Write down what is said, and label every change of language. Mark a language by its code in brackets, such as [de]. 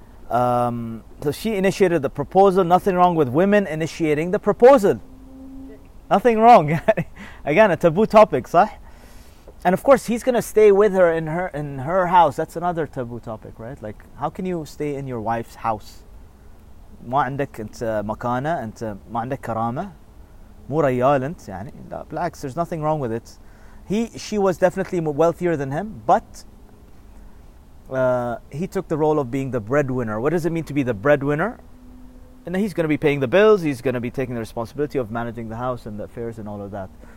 [en] So she initiated the proposal. Nothing wrong with women initiating the proposal. Nothing wrong. Again, a taboo topic, صح? And of course, he's going to stay with her in her house. That's another taboo topic, right? Like, how can you stay in your wife's house? [ar] ما عندك انت مكانة, انت ما عندك كرامة. [en] Relax, there's nothing wrong with it. She was definitely wealthier than him, but he took the role of being the breadwinner. What does it mean to be the breadwinner? And he's going to be paying the bills, he's going to be taking the responsibility of managing the house and the affairs and all of that.